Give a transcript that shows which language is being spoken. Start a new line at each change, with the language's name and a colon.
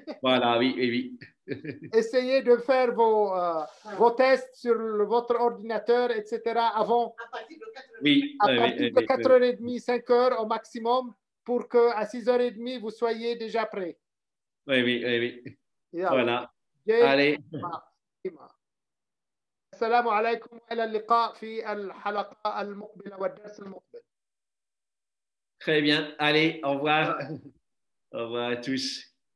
French: Voilà, oui, oui. Essayez de faire vos tests sur votre ordinateur, etc., avant. À partir de 4h30, 5h au maximum, pour qu'à 6h30, vous soyez déjà prêt. Oui. Yeah. Voilà.
Arabic: عليكم السلام عليكم وإلى اللقاء في الحلقة المقبلة والدرس المقبل.
French: Très bien. Allez, au revoir. Au revoir à tous.